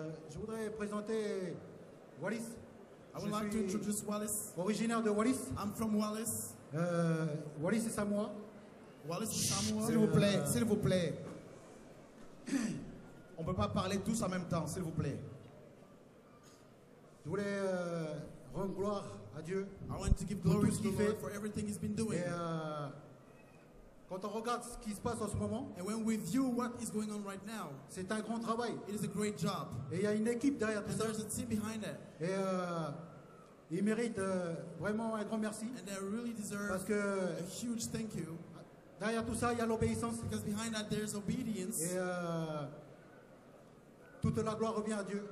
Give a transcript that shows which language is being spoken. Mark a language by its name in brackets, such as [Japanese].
[French] Je voudrais présenter Wallis. [English] I would like to introduce Wallis. [French] Originaire de Wallis. [English] I'm from Wallis. [French] Wallis et Samoa. Wallis et Samoa. S'il vous plaît, s'il vous plaît. On ne peut pas parler tous en même temps, s'il vous plaît. Je voulais rendre gloire à Dieu. [English] I want to give glory to the Lord for everything he's been doing. [French] Et quand on regarde ce qui se passe en ce moment, [English] and when we view what is going on right now, [French] c'est un grand travail. [English] It is a great job. [French] Et il y a une équipe derrière tout [English] ça. And there's a team behind it. [French] Et ils méritent vraiment un grand merci. [English] And they really deserve [French] parce que [English] a huge thank you. [French] Derrière tout ça, il y a l'obéissance. [English] Because behind that, there's obedience. [French] Et toute la gloire revient à Dieu.